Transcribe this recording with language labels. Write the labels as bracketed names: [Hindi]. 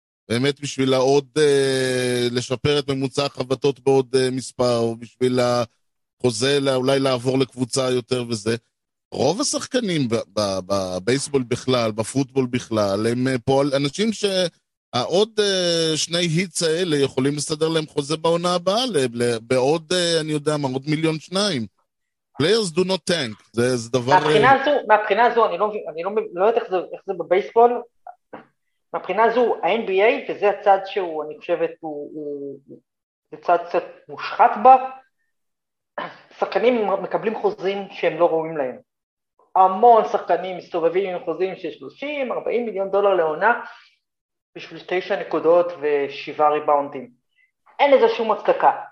[Hebrew] באמת בשביל עוד לשפר את ממוצע החבטות בעוד מספר, או בשביל החוזה אולי לעבור לקבוצה יותר וזה. רוב השחקנים בבייסבול בכלל, בפוטבול בכלל, הם פועל אנשים ש... עוד שני היטס האלה יכולים לסדר להם חוזה בעונה הבאה, בעוד, אני יודע מה, עוד מיליון שניים. [English] Players do not tank, [Hebrew] זה דבר... מהבחינה הזו, אני לא יודעת איך זה בבייסבול, מהבחינה הזו, ה-NBA, וזה הצד שהוא, אני חושבת, הוא צד קצת מושחת בה, שחקנים מקבלים חוזים שהם לא ראויים להם. המון שחקנים מסתובבים עם חוזים של 30-40 מיליון דולר לעונה, בשביל 9 נקודות ושבעה ריבאונדים. אין לזה שום הצדקה.